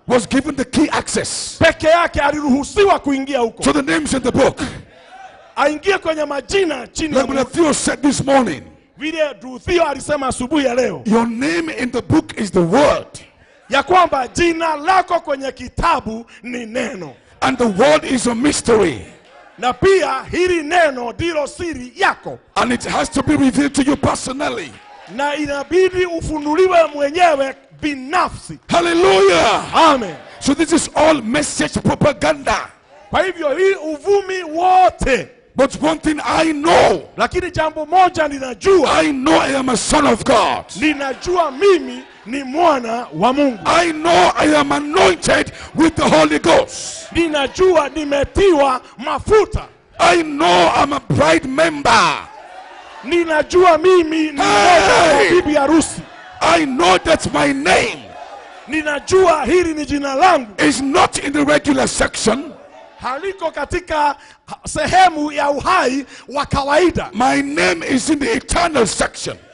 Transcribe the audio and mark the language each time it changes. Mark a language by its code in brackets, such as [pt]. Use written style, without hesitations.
[en] was given the key access. [sw] Peke yake aliruhusiwa kuingia huko. [en] So the names in the book. [sw] Aingie kwenye majina chini ya. [en] Brother Theo said this morning. [sw] Vile Theo alisema asubuhi ya leo. [en] Your name in the book is the word. [sw] Ya kwamba jina lako kwenye kitabu ni neno. [en] And the word is a mystery. [sw] Na pia hili neno dilo siri yako. [en] And it has to be revealed to you personally. [sw] Na inabidi ufunuliwe mwenyewe binafsi. [en] Hallelujah. Amen. So this is all message propaganda. [sw] Kwa hivyo hii uvumi wote. [en] But one thing I know. [sw] Lakini jambo moja ninajua. [en] I know I am a son of God. [sw] Ninajua mimi ni mwana wa Mungu. [en] I know I am anointed with the Holy Ghost. [sw] Ninajua nimetiwa mafuta. [en] I know I'm a bride member. [sw] Ninajua mimi ni bibi harusi. [en] I know that my name, [sw] ninajua hili ni jina langu, [en] is not in the regular section. [sw] haliko katika sehemu ya uhai wa kawaida. [en] My name is in the eternal section.